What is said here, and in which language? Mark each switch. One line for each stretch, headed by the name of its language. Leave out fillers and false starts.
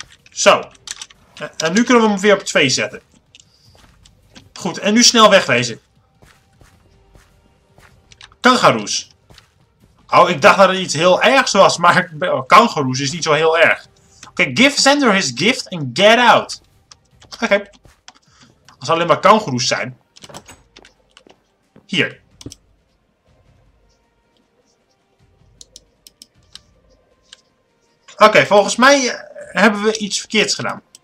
Dutch: Zo. En nu kunnen we hem weer op 2 zetten. Goed, en nu snel wegwezen. Kangaroes. Oh, ik dacht dat het iets heel ergs was, maar kangaroes is niet zo heel erg.
English: Oké, give Zender his gift and get out.
Dutch: Oké. Als alleen maar kangaroes zijn. Hier. Oké, volgens mij hebben we iets verkeerds gedaan.